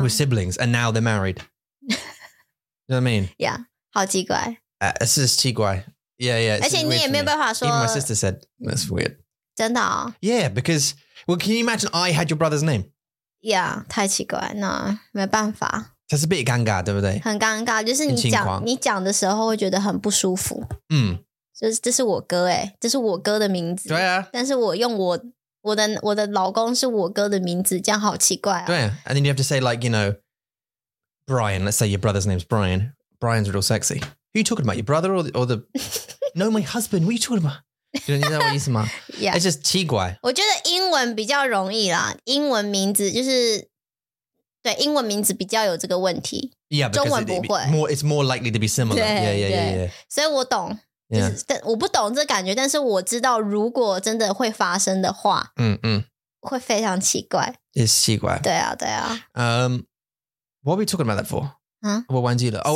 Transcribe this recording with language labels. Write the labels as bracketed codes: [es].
[en] We're siblings, and now they're married. you know what I mean? [zh] Yeah, 好奇怪。 [en] This is 奇怪。 Yeah, yeah. [zh] 而且你也没有办法说。 [en] Even my sister said, that's weird. [zh] 真的哦。 [en] Yeah, because, well, can you imagine I had your brother's name? [zh] Yeah, 太奇怪。那没办法。 [en] That's a bit 尴尬，对不对？ [zh] 很尴尬，就是你讲的时候会觉得很不舒服。嗯。就是这是我哥诶，这是我哥的名字。对啊。但是我用我的老公是我哥的名字，这样好奇怪啊！ [en] 对，and then you have to say like you know, Brian. Let's say your brother's name is Brian. Brian's real sexy. Who are you talking about? Your brother or the? no, my husband. What are you talking about? Do you know what I mean? Yeah, it's just 奇怪。 [zh] 我觉得英文比较容易啦，英文名字就是对英文名字比较有这个问题。 [en] Yeah, [zh] 中文不会。 [en] It's more likely to be similar. Yeah, yeah, yeah, yeah. [zh] 所以我懂。 Yeah. 就是、但我不懂这感觉但是我知道如果真的会发生的话会非常奇怪。也是奇怪。对啊对啊。 [en] What are we talking about that for?、我忘记了。